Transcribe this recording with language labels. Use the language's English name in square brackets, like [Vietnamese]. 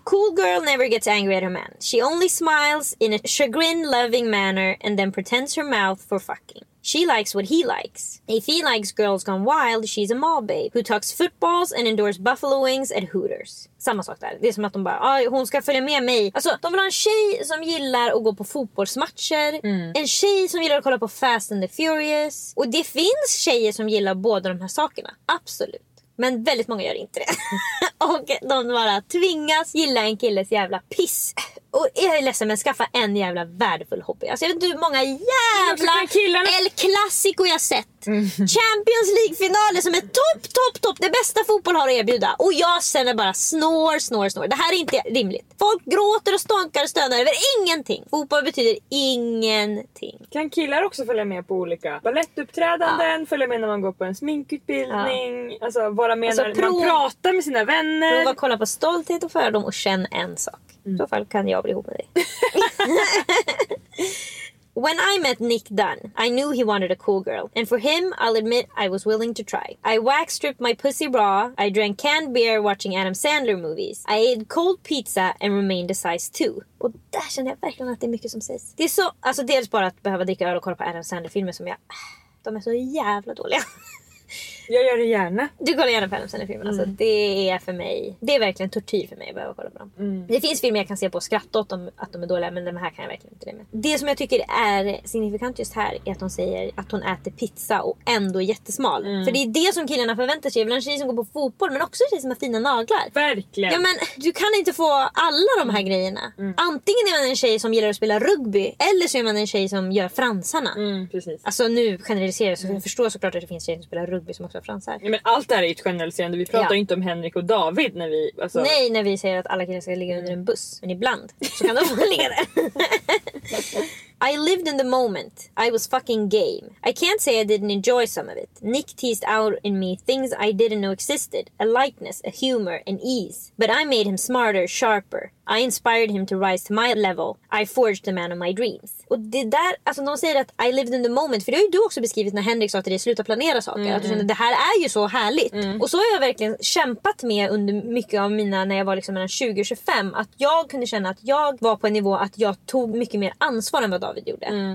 [English] Cool girl never gets angry at her man. She only smiles in a chagrin loving manner and then pretends her mouth for fucking. She likes what he likes. If he likes girls gone wild, she's a mall babe who talks footballs and endures buffalo wings at Hooters. [Swedish] Samma sak där. Det är som att de bara, hon ska följa med mig. Alltså, de vill ha en tjej som gillar att gå på fotbollsmatcher. Mm. En tjej som gillar att kolla på Fast and the Furious. Och det finns tjejer som gillar båda de här sakerna. Absolut. Men väldigt många gör inte det. Och de bara tvingas gilla en killes jävla piss. Och jag är ledsen, men skaffa en jävla värdefull hobby. Alltså jag vet inte hur många jävla El Clasico jag sett. Champions League-finaler som är topp. Det bästa fotboll har att erbjuda. Och jag sen är bara snor. Det här är inte rimligt. Folk gråter och stankar och stönar över ingenting. Fotboll betyder ingenting. Kan killar också följa med på olika ballettuppträdanden? Ja. Följa med när man går på en sminkutbildning? Ja. Alltså vara med, alltså, när man pratar med sina vänner? Prova att kolla på stolthet och fördom och känn en sak. Mm. I så fall kan jag bli ihop med dig. [English] When I met Nick Dunn, I knew he wanted a cool girl. And for him, I'll admit I was willing to try. I wax stripped my pussy raw. I drank canned beer watching Adam Sandler movies. I ate cold pizza and remained a size 2. [Swedish] Och där känner jag verkligen att det är mycket som sägs. Det är så, alltså dels bara att behöva dricka öl och kolla på Adam Sandler-filmer som jag... De är så jävla dåliga. Jag gör det gärna. Du kollar gärna på Adam Sandler-filmen. Alltså, det är för mig, det är verkligen tortyr för mig att behöva kolla på dem. Det finns filmer jag kan se på och skratta åt dem, att de är dåliga, men den här kan jag verkligen inte det med. Det som jag tycker är signifikant just här är att hon säger att hon äter pizza och ändå är jättesmal. För det är det som killarna förväntar sig. Jag vill ha en tjej som går på fotboll, men också en tjej som har fina naglar. Verkligen. Ja, men du kan inte få alla de här grejerna. Antingen är man en tjej som gillar att spela rugby, eller så är man en tjej som gör fransarna. Precis. Alltså nu generaliserar jag, så jag förstår såklart att det finns tjejer som spelar rugby som också fransar. Ja, men allt det här är ju ett generaliserande. Vi pratar ju inte om Henrik och David när vi, alltså... Nej, när vi säger att alla killar ska ligga under en buss. Men ibland så kan de få ligga där. [English] I lived in the moment. I was fucking game. I can't say I didn't enjoy some of it. Nick teased out in me things I didn't know existed. A lightness, a humor, an ease. But I made him smarter, sharper. I inspired him to rise to my level. I forged the man of my dreams. [Swedish] Och det där, alltså de säger att [English] I lived in the moment. [Swedish] För det har ju du också beskrivit när Henrik sa till dig, sluta planera saker. Att du kände, det här är ju så härligt. Och så har jag verkligen kämpat med under mycket av mina, när jag var liksom mellan 20 och 25. Att jag kunde känna att jag var på en nivå att jag tog mycket mer ansvar än vad David gjorde. Mm.